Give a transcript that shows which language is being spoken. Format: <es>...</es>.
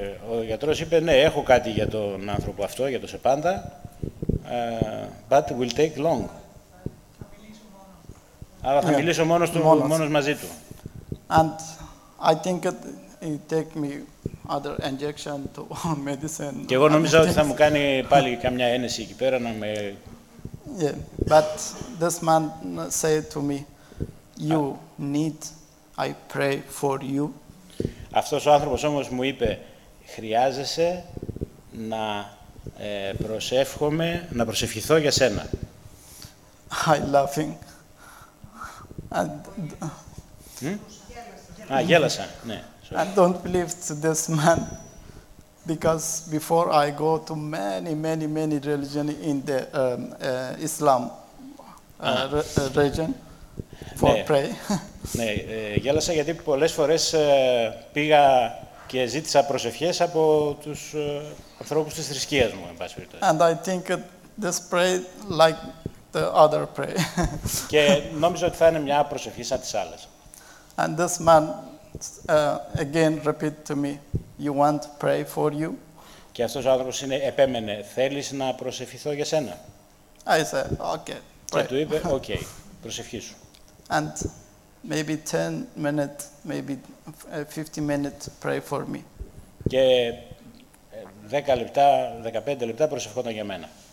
<el>Ο γιατρός είπε, ναι, έχω κάτι για τον άνθρωπο αυτό, για το σε πάντα,</el> <en>but will take long.</en> <el>Αλλά θα μιλήσω μόνος του, μόνος μαζί του.</el> <en>And I think it take me other injection to medicine.</en> <el>Και εγώ νομίζω ότι θα μου κάνει πάλι καμιά ένεση εκεί πέρα να με...</el> <en>Yeah, but this man said to me, you need, I pray for you.</en> <el>Αυτός ο άνθρωπος όμως μου είπε, χρειάζεσαι να προσεύχομαι, να προσευχηθώ για σένα.</el> <en>I laughing. And,</en> <el>γέλασα, ναι.</el> <en>I don't believe to this man. Because before I go to many, many, many religions in the Islam region for pray.</en> <el>Ναι, γέλασα γιατί πολλές φορές πήγα Και ζήτησα προσευχές από τους ανθρώπους της θρησκείας μου, εν πάση περιπτώσει.</el> <en>And I think this prayer like the other prayer.</en> <el>Και νόμιζα ότι θα είναι μια προσευχή σαν τις άλλες.</el> <en>And this man again repeat to me, you want to pray for you.</en> <el>Και αυτός ο άνθρωπος είναι επέμενε, θέλεις να προσευχηθώ για σένα.</el> <en>I said, okay. Pray.</en> <el>Και του είπε, okay, προσευχή σου.</el> <en>And maybe 10 minutes, maybe 50 minutes, pray for me.</en> <el>Και 10 λεπτά, 15 λεπτά προσευχόταν για μένα.</el>